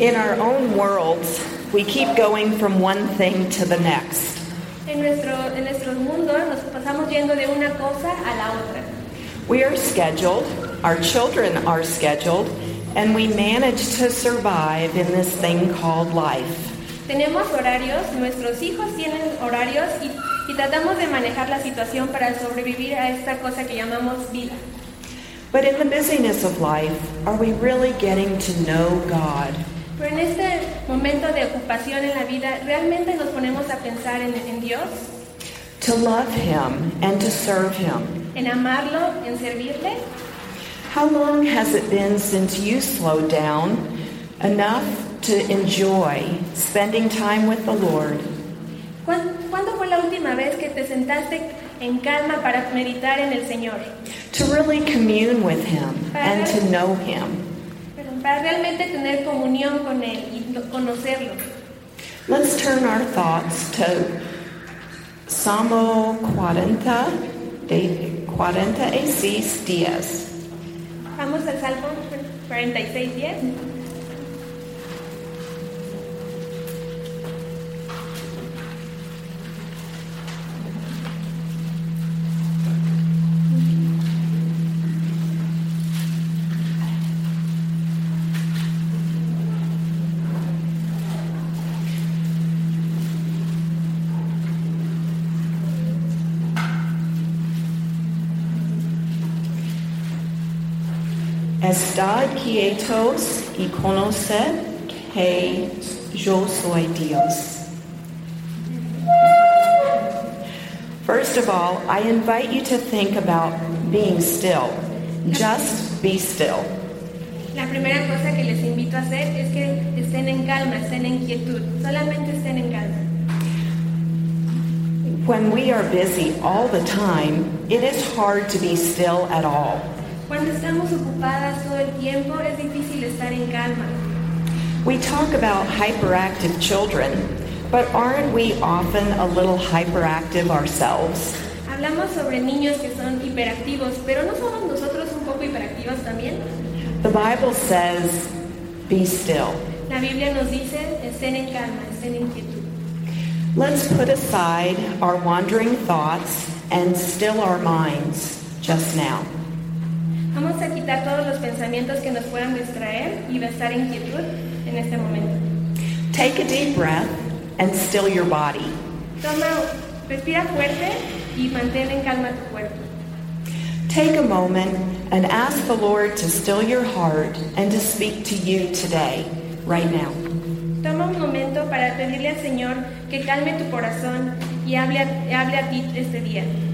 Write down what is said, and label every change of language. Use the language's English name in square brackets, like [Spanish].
[English] In our own worlds, we keep going from one thing to the next. [Spanish] En nuestro mundo nos pasamos yendo de una cosa a la otra. [English] We are scheduled, our children are scheduled, and we manage to survive in this thing called life. [Spanish] Tenemos horarios, nuestros hijos tienen horarios y tratamos de manejar la situación para sobrevivir a esta cosa que llamamos vida. [English] But in the busyness of life, are we really getting to know God? [Spanish] Pero en este momento de ocupación en la vida, ¿realmente nos ponemos a pensar en Dios? [English] To love him and to serve him. [Spanish] ¿En amarlo, en servirle? [English] How long has it been since you slowed down enough to enjoy spending time with the Lord? [Spanish] ¿Cuándo fue la última vez que te sentaste en calma para meditar en el Señor? [English] To really commune with him and to know him. [Spanish] Para realmente tener comunión con él y conocerlo. [English] Let's turn our thoughts to Salmo 46, 10. [Spanish] Vamos al Salmo 46, 10. Estad quietos y conoced que yo soy Dios. [English] First of all, I invite you to think about being still. Just be still. [Spanish] La primera cosa que les invito a hacer es que estén en calma, estén en quietud. Solamente estén en calma. [English] When we are busy all the time, it is hard to be still at all. [Spanish] Cuando estamos ocupadas todo el tiempo, es difícil estar en calma. [English] We talk about hyperactive children, but aren't we often a little hyperactive ourselves? [Spanish] Hablamos sobre niños que son hiperactivos, pero ¿no somos nosotros un poco hiperactivos también? [English] The Bible says, be still. [Spanish] La Biblia nos dice, estén en calma, estén en quietud. [English] Let's put aside our wandering thoughts and still our minds just now. [Spanish] Vamos a quitar todos los pensamientos que nos puedan distraer y estar en quietud en este momento. [English] Take a deep breath and still your body. [Spanish] Toma, respira fuerte y mantén en calma tu cuerpo. [English] Take a moment and ask the Lord to still your heart and to speak to you today, right now. [Spanish] Toma un momento para pedirle al Señor que calme tu corazón y hable a ti este día.